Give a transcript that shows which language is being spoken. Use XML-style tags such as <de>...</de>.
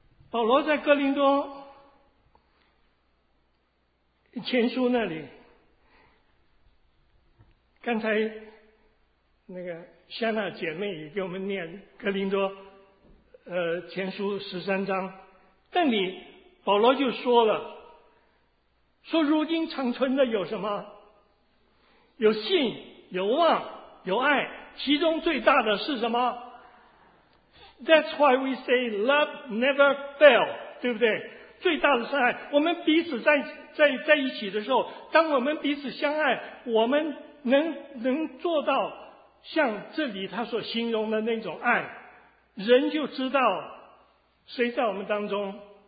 <zh>保罗在哥林多前书那里，刚才那个香娜姐妹也给我们念哥林多前书13章，但里保罗就说了，说如今长存的有什么？有信，有望，有爱，其中最大的是什么？</zh> <en>That's why we say love never fail,</en> <zh>对不对？最大的是爱。我们彼此在一起的时候，当我们彼此相爱，我们能做到像这里他所形容的那种爱，人就知道谁在我们当中。</zh>